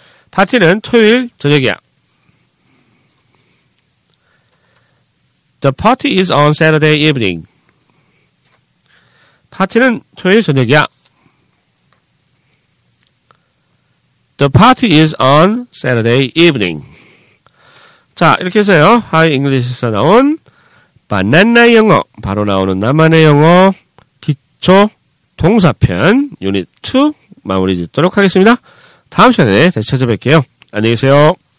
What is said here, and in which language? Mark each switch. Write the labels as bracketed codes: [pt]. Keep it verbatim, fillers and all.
[ko] 파티는 토요일 저녁이야. [en] The party is on Saturday evening. [ko] 파티는 토요일 저녁이야. [en] The party is on Saturday evening. [ko] 자, 이렇게 해서요. 하이 잉글리시에서 나온 바나나 영어, 바로 나오는 나만의 영어 기초 동사편 유닛 투 마무리 짓도록 하겠습니다. 다음 시간에 다시 찾아뵐게요. 안녕히 계세요.